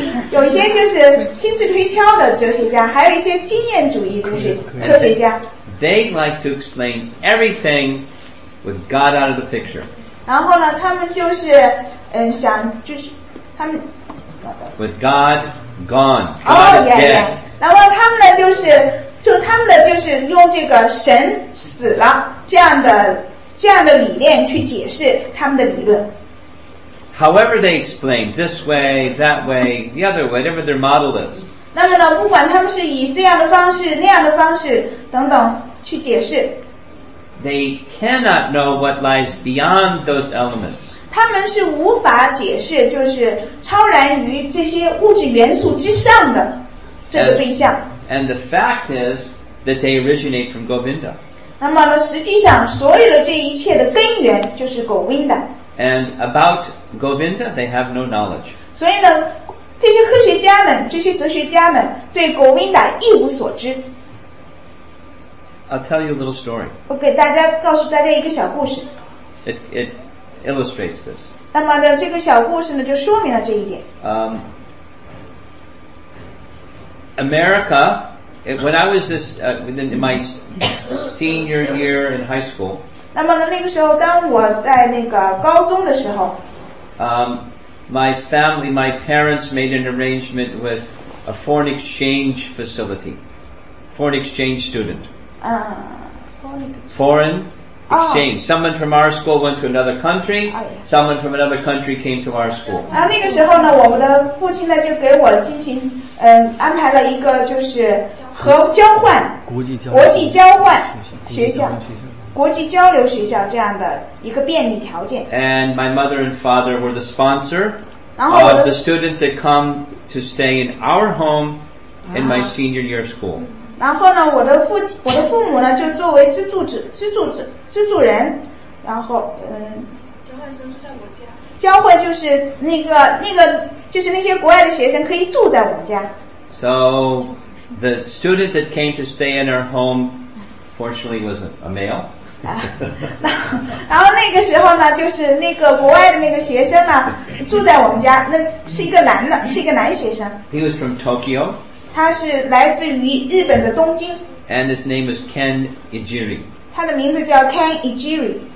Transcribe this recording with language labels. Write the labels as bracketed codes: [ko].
[zh] 有一些就是心智推敲的哲学家，还有一些经验主义哲学家。 [en] They like to explain everything with God out of the picture. [zh] 然后呢，他们就是想就是他们。 [en] With God gone, God is dead. [zh] 那么他们呢，就是就他们的就是用这个神死了这样的理念去解释他们的理论。 [en] However they explain this way, that way, the other way, whatever their model is. [zh] 那么呢，不管他们是以这样的方式、那样的方式等等去解释。 [en] They cannot know what lies beyond those elements. [zh] 他们是无法解释就是超然于这些物质元素之上的这个对象。 [en] And the fact is that they originate from Govinda. [zh] 那么呢实际上所有的这一切的根源就是 Govinda. [en] And about Govinda, they have no knowledge. [zh] 所以呢这些科学家们这些哲学家们对 Govinda 一无所知。 [en] I'll tell you a little story. [zh] 我给大家告诉大家一个小故事。 [en] It illustrates this. [zh] 那么呢，这个小故事呢，就说明了这一点。 [en] America, when I was this in my senior year in high school. [zh] 那么呢，那个时候，当我在那个高中的时候。 [en] My family, my parents made an arrangement with a foreign exchange facility, foreign exchange student. Foreign. Exchange. Someone from our school went to another country. Someone from another country came to our school. [zh] 那那个时候呢，我们的父亲呢就给我进行安排了一个就是和交换国际交换学校，国际交流学校这样的一个便利条件。 [en] And my mother and father were the sponsor of the students that come to stay in our home in my senior year school. [zh] 然后呢，我的父母呢就作为资助人，然后交换生住在我家。交换就是那些国外的学生可以住在我们家。 [en] So the student that came to stay in our home, fortunately, was a male. [zh] 然后那个时候呢，就是那个国外的那个学生呢住在我们家，那是一个男的，是一个男学生。 [en] He was from Tokyo. [zh] 他是来自于日本的东京。 [en] And his name is Ken Ijiri. [zh] 他的名字叫 Ken Ijiri.